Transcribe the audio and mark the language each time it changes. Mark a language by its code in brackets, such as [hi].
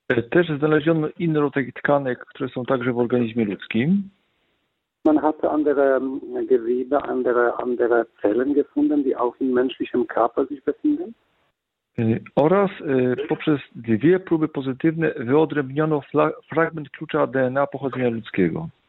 [pl] Też znaleziono inne rodzaje tkanek, które są także w organizmie ludzkim. [de] Man hatte andere Gewebe, andere Zellen gefunden, die auch im menschlichen Körper sich befinden. [pl] Oraz poprzez dwie próby pozytywne wyodrębniono fragment klucza DNA pochodzenia ludzkiego.